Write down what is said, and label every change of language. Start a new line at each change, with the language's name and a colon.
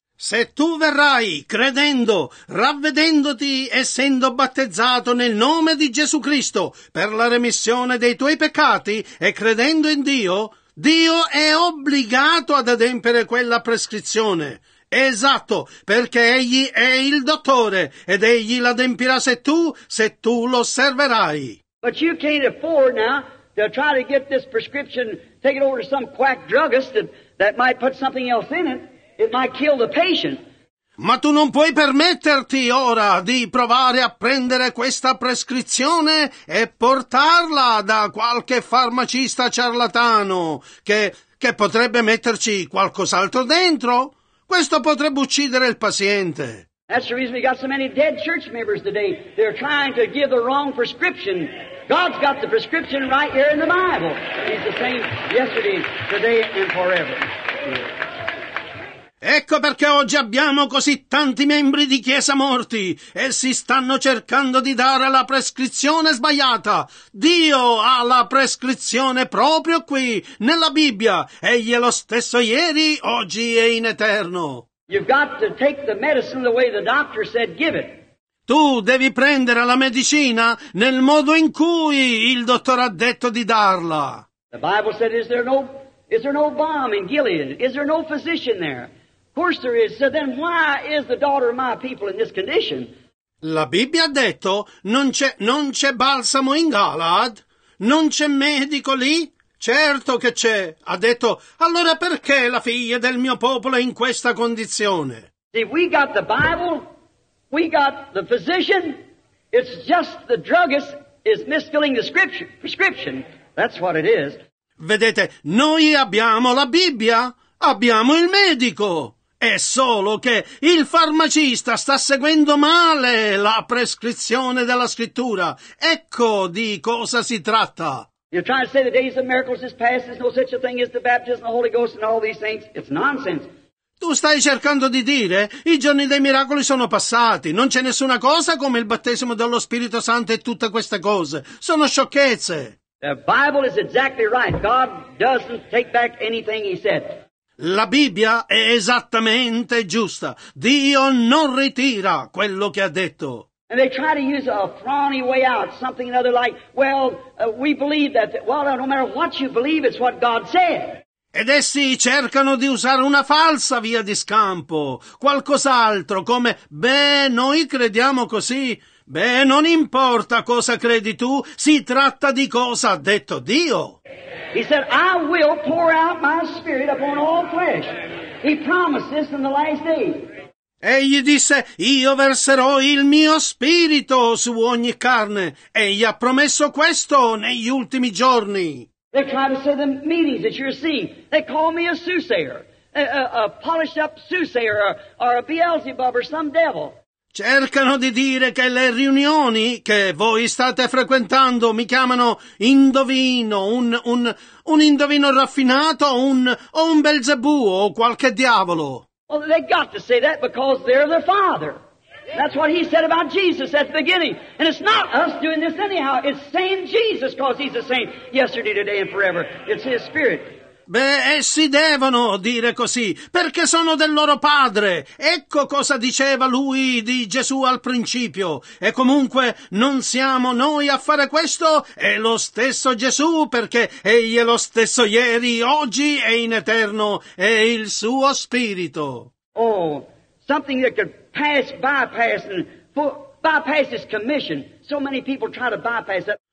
Italian: Se tu verrai credendo, ravvedendoti, essendo battezzato nel nome di Gesù Cristo per la remissione dei tuoi peccati e credendo in Dio, Dio è obbligato ad adempiere quella prescrizione. Esatto, perché egli è il dottore ed egli l'adempirà se tu lo osserverai.
English: But you can't afford now to try to get this prescription, take it over to some quack druggist that might put something else in it. It might kill the patient.
Italian: Ma tu non puoi permetterti ora di provare a prendere questa prescrizione e portarla da qualche farmacista ciarlatano che potrebbe metterci qualcos'altro dentro. Questo potrebbe uccidere il paziente.
English: That's the reason we got so many dead church members today. They're trying to give the wrong prescription. God's got the prescription right here in the Bible. He's the same yesterday, today, and forever.
Italian: Ecco perché oggi abbiamo così tanti membri di chiesa morti. Essi stanno cercando di dare la prescrizione sbagliata. Dio ha la prescrizione proprio qui, nella Bibbia. Egli è lo stesso ieri, oggi e in eterno.
English: You've got to take the medicine the way the doctor said, give it.
Italian: Tu devi prendere la medicina nel modo in cui il dottore ha detto di darla.
English: The Bible said, is there no balm in Gilead? Is there no physician there? Of course there is. So then why is the daughter of my people in this condition?
Italian: La Bibbia ha detto, non c'è balsamo in Galaad? Non c'è medico lì? Certo che c'è. Ha detto, allora perché la figlia del mio popolo è in questa condizione?
English: See, we got the Bible, we got the physician, it's just the druggist is misfilling the prescription. That's what it is.
Italian: Vedete, noi abbiamo la Bibbia, abbiamo il medico. È solo che il farmacista sta seguendo male la prescrizione della scrittura. Ecco di cosa si tratta.
English: You're trying to say the days of miracles is past, there's no such a thing as the baptism of the Holy Ghost and all these things. It's nonsense.
Italian: Tu stai cercando di dire, i giorni dei miracoli sono passati, non c'è nessuna cosa come il battesimo dello Spirito Santo e tutte queste cose. Sono sciocchezze.
English: The Bible is exactly right. God doesn't take back anything he said.
Italian: La Bibbia è esattamente giusta. Dio non ritira quello che ha detto.
English: And they try to use a frowny way out, something or other like, well, we believe that, well, no matter what you believe, it's what God said.
Italian: Ed essi cercano di usare una falsa via di scampo, qualcos'altro come, beh, noi crediamo così, beh, non importa cosa credi tu, si tratta di cosa ha detto Dio.
English: He said, I will pour out my spirit upon all flesh. He promised this in the last day.
Italian: Egli disse, io verserò il mio spirito su ogni carne. Egli ha promesso questo negli ultimi giorni.
English: They try to say the meetings that you're seeing. They call me a soothsayer, a polished up soothsayer, or a Beelzebub, or some devil.
Italian: Cercano di dire che le riunioni che voi state frequentando mi chiamano indovino, un indovino raffinato, un Belzebù o qualche diavolo.
English: Well, they got to say that because they're their father. That's what he said about Jesus at the beginning. And it's not us doing this anyhow. It's saying Jesus because he's the same yesterday, today and forever. It's his spirit.
Italian: Beh, essi devono dire così, perché sono del loro padre. Ecco cosa diceva lui di Gesù al principio. E comunque non siamo noi a fare questo, è lo stesso Gesù, perché egli è lo stesso ieri, oggi e in eterno, è il suo spirito.
English: Oh, something that could pass, bypass his commission. So many people try to bypass that.